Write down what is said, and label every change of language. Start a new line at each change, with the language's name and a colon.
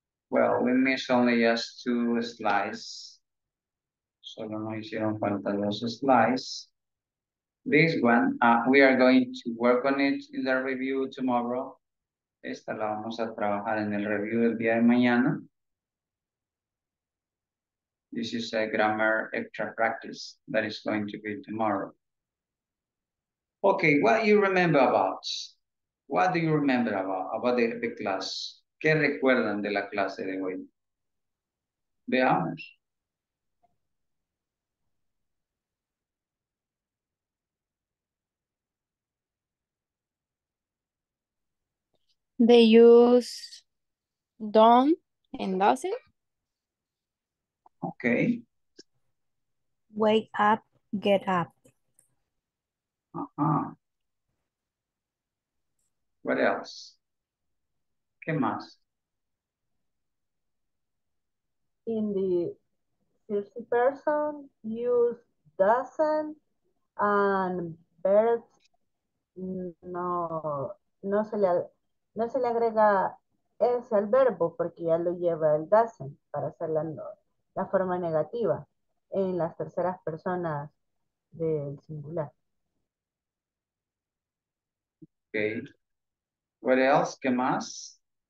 English: Well, we missed only just two slides.
Spanish: Solo no hicieron falta dos slides.
English: This one, we are going to work on it in the review tomorrow.
Spanish: Esta la vamos a trabajar en el review del día de mañana.
English: This is a grammar extra practice that is going to be tomorrow. Okay, what do you remember about? What do you remember about the class?
Spanish: ¿Qué recuerdan de la clase de hoy? Veamos.
English: They use don't and doesn't. Okay. Wake up, get up. Uh-huh. What else?
Spanish: ¿Qué más?
English: In the first person, use doesn't and verbs.
Spanish: No se le agrega es el verbo porque ya lo lleva el doesn't para hacer la forma negativa en las terceras personas del singular.
English: Okay. What else?
Spanish: ¿Qué más?